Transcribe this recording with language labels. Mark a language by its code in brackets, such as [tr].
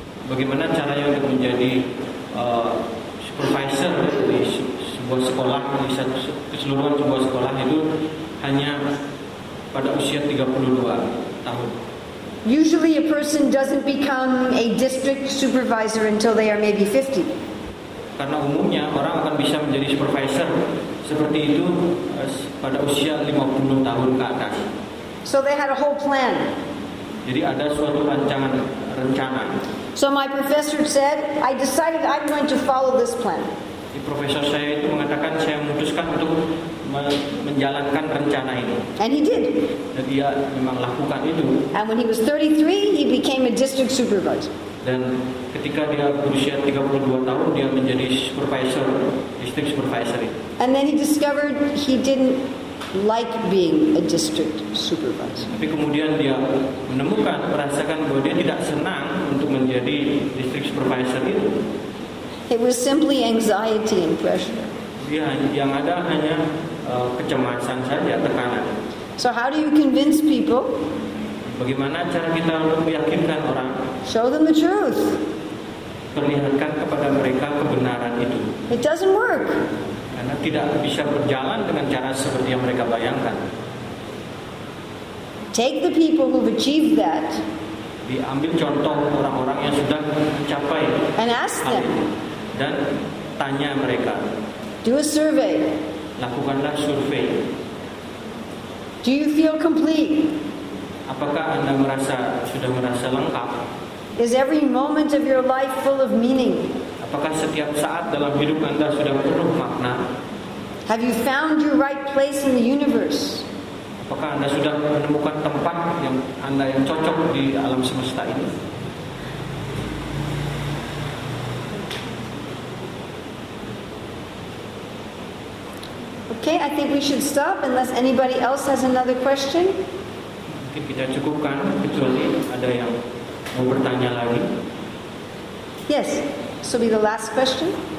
[id] Bagaimana caranya untuk menjadi supervisor di sebuah sekolah, di keseluruhan sebuah sekolah itu hanya pada usia 32 tahun. [en] Usually a person doesn't become a district supervisor until they are maybe 50. [id] Karena umumnya orang akan bisa menjadi supervisor seperti itu pada usia 50 tahun ke atas. [en] So they had a whole plan. [id] Jadi ada suatu rencana. [en] So my professor said, I decided I'm going to follow this plan. [id] Profesor saya itu mengatakan saya memutuskan untuk menjalankan rencana ini. [en] And he did. [id] Dan dia memang lakukan itu. [en] And when he was 33, he became a district supervisor. [id] Dan ketika dia berusia 32 tahun, dia menjadi supervisor, district supervisor. [en] And then he discovered he didn't like being a district supervisor. [id] Tapi kemudian dia menemukan, merasakan bahwa dia tidak senang untuk menjadi district supervisor itu. [en] It was simply anxiety and pressure. [id] Ya, yang ada hanya kecemasan saja, tekanan. [en] So how do you convince people? [id] Bagaimana cara kita untuk meyakinkan orang? [en] Show them the truth. [id] Perlihatkan kepada mereka kebenaran itu. [en] It doesn't work. [id] Karena tidak bisa berjalan dengan cara seperti yang mereka bayangkan. [en] Take the people who've achieved that. [id] Diambil contoh orang-orang yang sudah mencapai. [en] And ask [id] hal [en] them. [id] Itu. Dan tanya mereka. [en] Do a survey. [id] Lakukanlah survei. [en] Do you feel complete? [id] Apakah Anda sudah merasa lengkap? [en] Is every moment of your life full of meaning? [id] Apakah setiap saat dalam hidup Anda sudah penuh makna? [en] Have you found your right place in the universe? [id] Apakah Anda sudah menemukan tempat yang Anda yang cocok di alam semesta ini? [en] Okay, I think we should stop unless anybody else has another question. [id] Mungkin kita cukupkan kecuali ada yang mau bertanya lagi. [en] Yes, so be the last question.